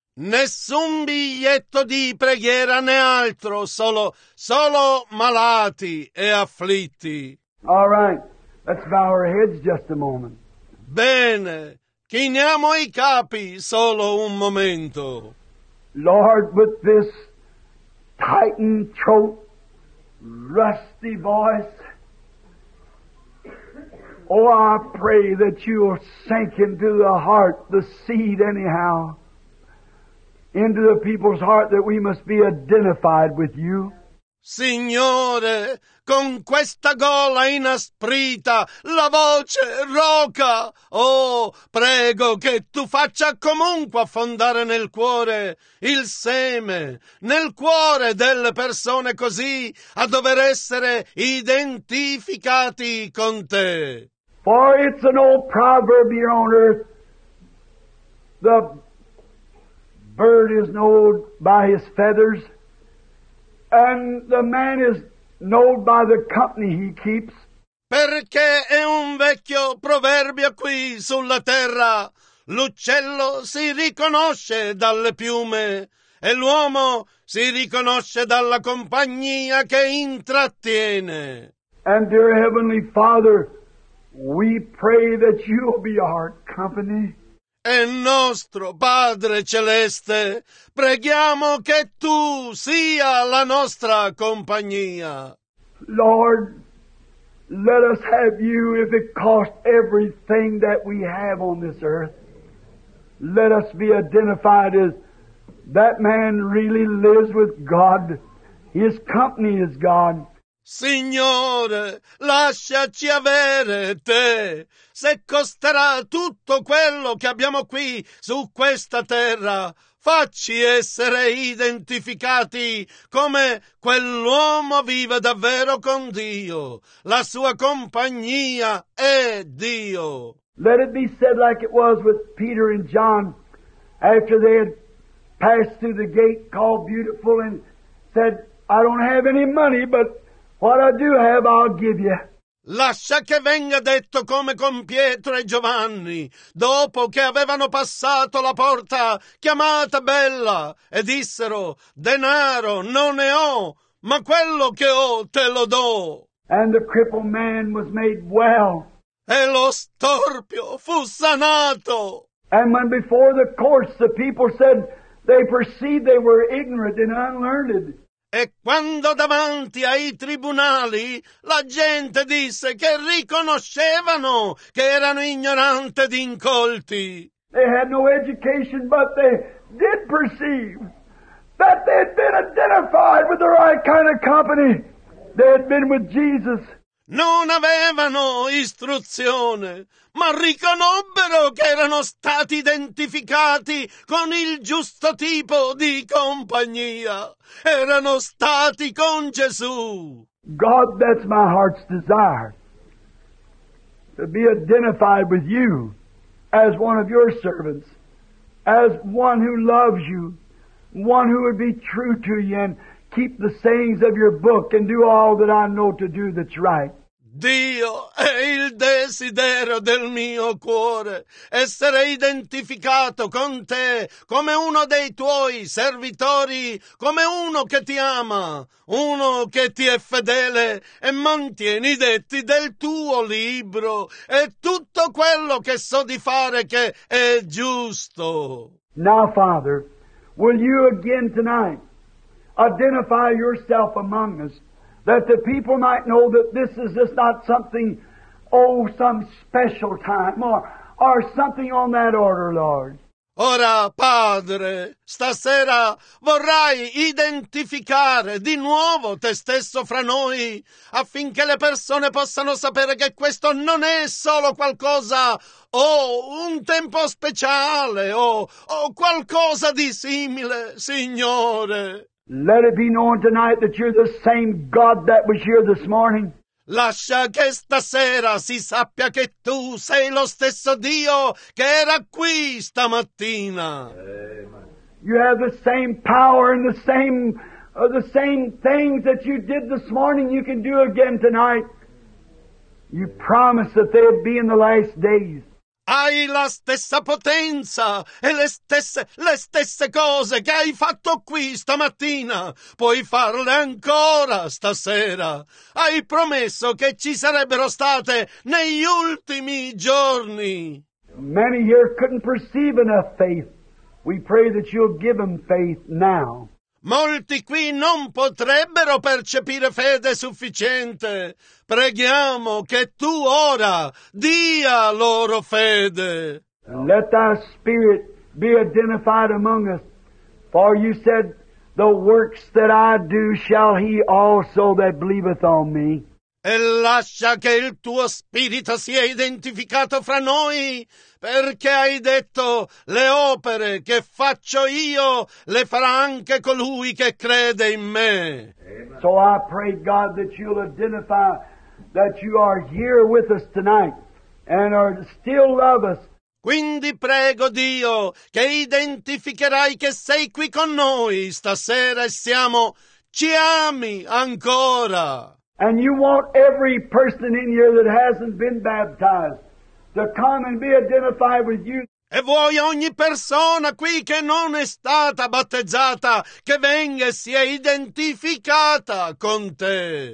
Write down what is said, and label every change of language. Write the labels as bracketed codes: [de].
[it] Nessun biglietto di preghiera né altro, solo malati e afflitti. [en] All right, let's bow our heads just a moment. [it] Bene, Chiniamo i capi, solo un momento. [en] Lord, with this tightened throat, rusty voice, oh, I pray that you will sink into the heart, the seed anyhow, into the people's heart that we must be identified with you. [it] Signore, con questa gola inasprita, la voce roca, oh, prego che tu faccia comunque affondare nel cuore il seme, nel cuore delle persone così a dover essere identificati con te. [en] For it's an old proverb here on earth, the bird is known by his feathers, and the man is known by the company he keeps. [it] Perché è un vecchio proverbio qui sulla terra. L'uccello si riconosce dalle piume e l'uomo si riconosce dalla compagnia che intrattiene. [en] And dear Heavenly Father, we pray that you'll be our company. [it] E nostro Padre Celeste, preghiamo che tu sia la nostra compagnia. [en] Lord, let us have you if it costs everything that we have on this earth. Let us be identified as that man really lives with God. His company is God. [it] Signore, lasciaci avere te. Se costerà tutto quello che abbiamo qui su questa terra, facci essere identificati come quell'uomo vive davvero con Dio. La sua compagnia è Dio. [en] Let it be said like it was with Peter and John after they had passed through the gate called Beautiful and said, I don't have any money, but what I do have, I'll give you. [it] Lascia che venga detto come con Pietro e Giovanni, dopo che avevano passato la porta chiamata Bella, e dissero, denaro non ne ho, ma quello che ho te lo do. [en] And the crippled man was made well. [it] E lo storpio fu sanato. [en] And when before the courts the people said, they perceived they were ignorant and unlearned. [it] E quando davanti ai tribunali la gente disse che riconoscevano che erano ignoranti ed incolti. [en] They had no education, but they did perceive that they had been identified with the right kind of company. They had been with Jesus. [it] Non avevano istruzione, ma riconobbero che erano stati identificati con il giusto tipo di compagnia. Erano stati con Gesù. [en] God, that's my heart's desire, to be identified with you as one of your servants, as one who loves you, one who would be true to you and keep the sayings of your book and do all that I know to do that's right. [it] Dio, è il desiderio del mio cuore essere identificato con te come uno dei tuoi servitori, come uno che ti ama, uno che ti è fedele e mantieni i detti del tuo libro e tutto quello che so di fare che è giusto. [en] Now, Father, will you again tonight identify yourself among us? That the people might know that this is just not something, oh, some special time, or something on that order, Lord. [it] Ora, Padre, stasera vorrai identificare di nuovo te stesso fra noi, affinché le persone possano sapere che questo non è solo qualcosa, o un tempo speciale, o qualcosa di simile, Signore. [en] Let it be known tonight that you're the same God that was here this morning. [it] Lascia che stasera si sappia che tu sei lo stesso Dio che era qui stamattina. [en] Amen. You have the same power and the same things that you did this morning you can do again tonight. You promised that they'd be in the last days. [it] Hai la stessa potenza e le stesse cose che hai fatto qui stamattina. Puoi farle ancora stasera. Hai promesso che ci sarebbero state negli ultimi giorni. [en] Many here couldn't perceive enough faith. We pray that you'll give them faith now. [it] Molti qui non potrebbero percepire fede sufficiente. Preghiamo che tu ora dia loro fede. [en] Let thy spirit be identified among us. For you said, the works that I do shall he also that believeth on me. [it] E lascia che il tuo spirito sia identificato fra noi, perché hai detto, le opere che faccio io le farà anche colui che crede in me. [en] So I pray, God, that you'll identify that you are here with us tonight and are still love us. [it] Quindi prego Dio che identificherai che sei qui con noi stasera e siamo, ci ami ancora. [en] And you want every person in here that hasn't been baptized to come and be identified with you. [it] E vuoi ogni persona qui che non è stata battezzata che venga e sia identificata con te.